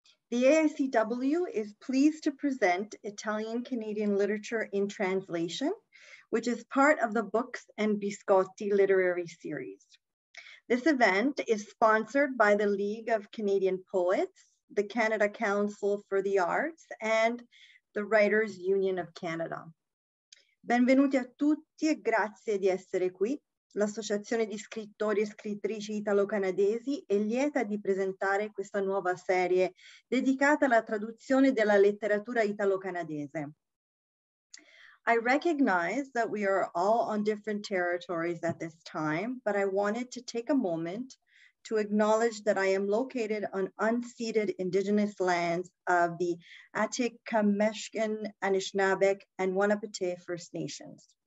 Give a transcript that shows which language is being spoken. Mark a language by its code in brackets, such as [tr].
[en] The AICW is pleased to present Italian-Canadian Literature in Translation, which is part of the Books and Biscotti Literary Series. This event is sponsored by the League of Canadian Poets, the Canada Council for the Arts, and the Writers Union of Canada. [it] Benvenuti a tutti e grazie di essere qui. L'Associazione di Scrittori e Scrittrici Italo-Canadesi è lieta di presentare questa nuova serie dedicata alla traduzione della letteratura italo-canadese. [en] I recognize that we are all on different territories at this time, but I wanted to take a moment to acknowledge that I am located on unceded indigenous lands of the Atikamekw, Anishinaabeg, and Wanapete First Nations.